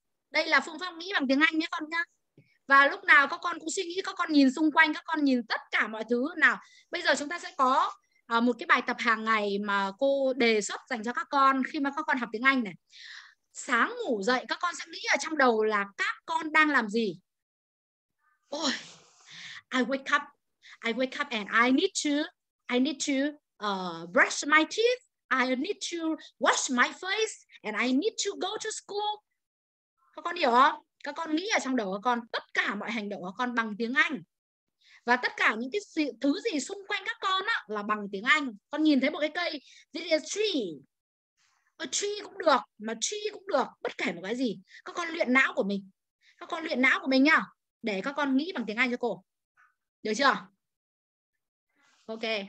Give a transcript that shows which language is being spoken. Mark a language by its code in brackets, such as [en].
[vi] Đây là phương pháp nghĩ bằng tiếng Anh nhé con nhá. Và lúc nào các con cũng suy nghĩ, các con nhìn xung quanh, các con nhìn tất cả mọi thứ. Nào, bây giờ chúng ta sẽ có một cái bài tập hàng ngày mà cô đề xuất dành cho các con khi mà các con học tiếng Anh này. Sáng ngủ dậy các con sẽ nghĩ ở trong đầu là các con đang làm gì. [en] Ôi, I wake up and I need to brush my teeth, I need to wash my face and I need to go to school. [vi] Các con hiểu không? Các con nghĩ ở trong đầu các con tất cả mọi hành động của con bằng tiếng Anh. Và tất cả những cái thứ gì xung quanh các con á là bằng tiếng Anh. Con nhìn thấy một cái cây, [en] this is a tree. A tree [vi] cũng được, mà tree cũng được, bất kể một cái gì. Các con luyện não của mình. Các con luyện não của mình nhá. Để các con nghĩ bằng tiếng Anh cho cô. Được chưa? Ok.